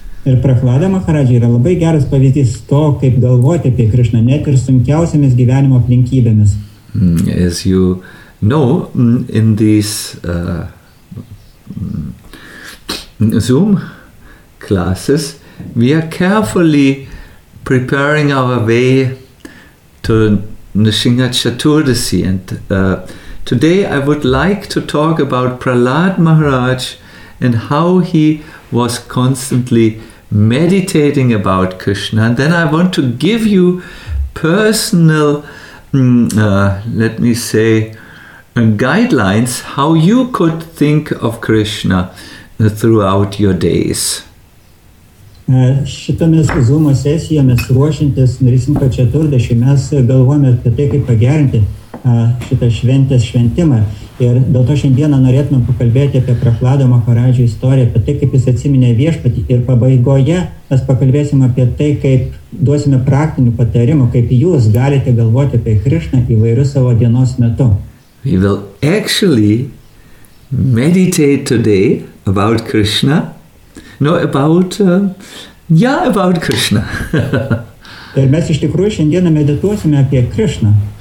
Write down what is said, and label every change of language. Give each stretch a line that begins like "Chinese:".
Lithuanian: Ir Prahlada Maharaja yra labai geras pavyzdys to, kaip galvoti apie Krishna, net ir sunkiausiamis gyvenimo aplinkybėmis.
English: As you know, in these Zoom classes, we are carefully preparing our way to Nrisimha Chaturdasi. And today I would like to talk about Prahlad Maharaj and how he was constantly meditating about Krishna. And then I want to give you personal, let me say, guidelines how you could think of Krishna throughout your days.
Lithuanian: Šitomis Zoom sesijomis ruošintis Nrisimha Chaturdasi, mes galvojame apie tai, kaip pagerinti šitą šventės šventimą. Ir dėl to šiandieną norėtume pakalbėti apie Prahlado Maharadžio istoriją, apie tai, kaip jis atsiminė viešpatį. Ir pabaigoje mes pakalbėsim apie tai, kaip duosime praktinių patarimų, kaip jūs galite galvoti apie Krišną įvairius savo dienos metu.
English: We will actually meditate today about Krishna. No, about Krishna.
Lithuanian: Ir mes iš tikrųjų šiandieną medituosime apie Krishna.